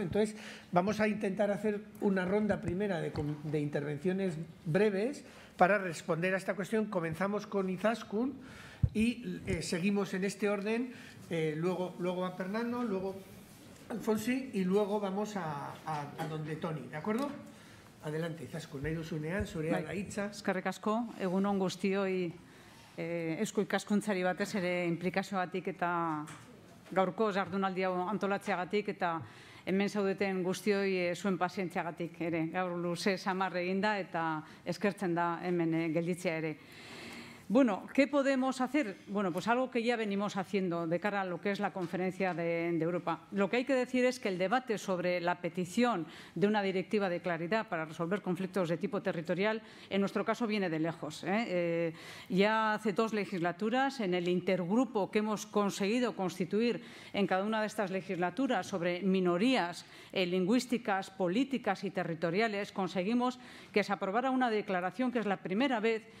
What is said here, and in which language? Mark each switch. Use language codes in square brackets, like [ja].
[es] Entonces, vamos a intentar hacer una ronda primera de intervenciones breves para responder a esta cuestión. Comenzamos con Izaskun y seguimos en este orden, luego a Fernando, luego a Alfonsi y luego vamos a donde Toni, ¿de acuerdo? Adelante, Izaskun. [eu] Nahi duzunean, zurea da hitza. Eskerrik asko, egunon guztioi, Eusko Ikaskuntzari batez ere implikazioagatik eta gaurko jardunaldi hau antolatzeagatik eta hemen zaudeten guztioi zuen pazientziagatik ere. Gaur luze samar eginda eta eskertzen da hemen gelditzea ere. [es] Bueno, ¿qué podemos hacer? Bueno, pues algo que ya venimos haciendo de cara a lo que es la conferencia de Europa. Lo que hay que decir es que el debate sobre la petición de una directiva de claridad para resolver conflictos de tipo territorial, en nuestro caso, viene de lejos. Ya hace dos legislaturas, en el intergrupo que hemos conseguido constituir en cada una de estas legislaturas sobre minorías lingüísticas, políticas y territoriales, conseguimos que se aprobara una declaración, que es la primera vez